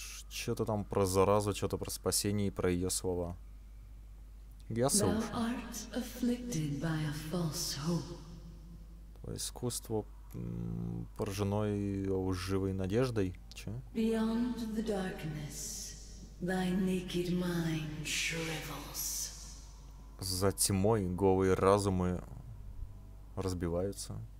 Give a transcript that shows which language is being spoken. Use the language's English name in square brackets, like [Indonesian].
[Russian] Что-то там про заразу, что-то про спасение и про ее слова. Я слушаю. [English] Thou art afflicted by a false hope. [Russian] Твое искусство поражено лживой надеждой. Че? [English] Beyond the darkness, thy naked mind shrivels. [Russian] За тьмой голые разумы разбиваются.